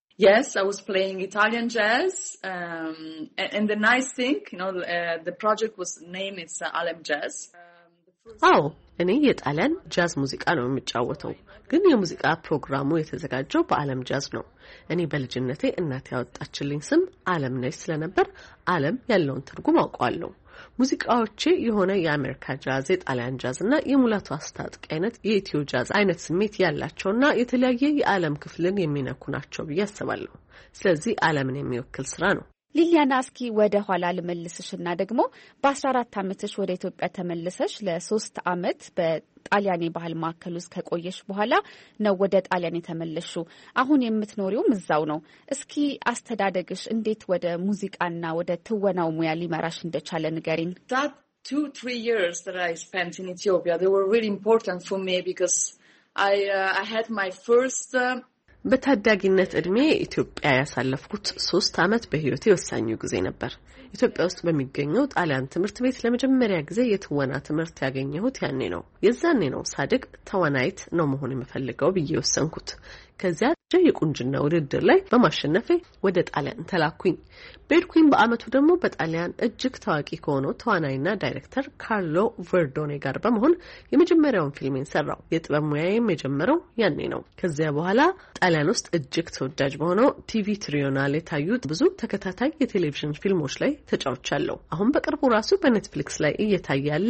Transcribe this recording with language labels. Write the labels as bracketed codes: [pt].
[en] Yes, I was playing Italian jazz. And the nice thing, you know, the project was named it's Alem Jazz. [am] እኔ የጣሊያን ጃዝ ሙዚቃ ነው የምጫወተው። ግን የሙዚቃ ፕሮግራሙ የተዘጋጀው በአለም ጃዝ ነው። እኔ በልጅነቴ እናቴ ያወጣችልኝ ስም አለም ነው ስለነበር አለም ያለውን ትርጉም አውቃለሁ። ሙዚቃዎቼ የሆነ የአሜሪካ ጃዝ፣ የጣሊያን ጃዝ እና የሙላቱ አስታጥቄ አይነት የኢትዮ ጃዝ አይነት ስሜት ያላቸውና የተለያየ የአለም ክፍልን የሚነኩ ናቸው ብዬ አስባለሁ። ስለዚህ አለምን የሚወክል ስራ ነው። ሊሊያና አስኪ ወደ ኋላ ለመልስሽና ደግሞ በ14 አመትሽ ወደ ኢትዮጵያ ተመለሰሽ ለ3 አመት በጣሊያን ባህል ማዕከል ውስጥ ከቆየሽ በኋላ ነው ወደ ጣሊያን የተመለሽ። አሁን የምትኖሪው ምዛው ነው። እስኪ አስተዳደግሽ እንዴት ወደ ሙዚቃና ወደ ትወናው ሙያ ሊመራሽ እንደቻለ ንገሪን። [en] That 2-3 years that I spent in Ethiopia, they were really important for me because I had my first [am] በታዳጊነት እድሜ ኢትዮጵያ ያሳለፍኩት 3 አመት በህይወቴ ወሳኝ ጊዜ ነበር። ኢትዮጵያ ውስጥ በሚገኘው ጣሊያን ትምህርት ቤት ለመጀመሪያ ጊዜ የትወና ትምህርት ያገኘሁት ያኔ ነው። የዛኔ ነው ሳድግ ተወናይት ነው መሆን የምፈልገው ብዬ ወሰንኩት። ከዚያ የቁንጅና ውድድር ላይ በማሸነፌ ወደ ጣሊያን ተላኩኝ። በርኩን በአመቱ ደግሞ በጣሊያን እጅግ ታዋቂ ከሆነው ተዋናይና ዳይሬክተር ካርሎ ቨርዶኔ ጋር በመሆን የመጀመሪያውን ፊልሜን ሰራው። የጥበብ ሙያዬም የጀመረው ያኔ ነው። ከዚያ በኋላ ጣሊያን ውስጥ እጅግ ተወዳጅ በሆነው ቲቪ ትሪዮናል የታዩት ብዙ ተከታታይ የቴሌቪዥን ፊልሞች ላይ ተጫውቻለሁ። አሁን በቅርቡ ራሱ በኔትፍሊክስ ላይ እየታየ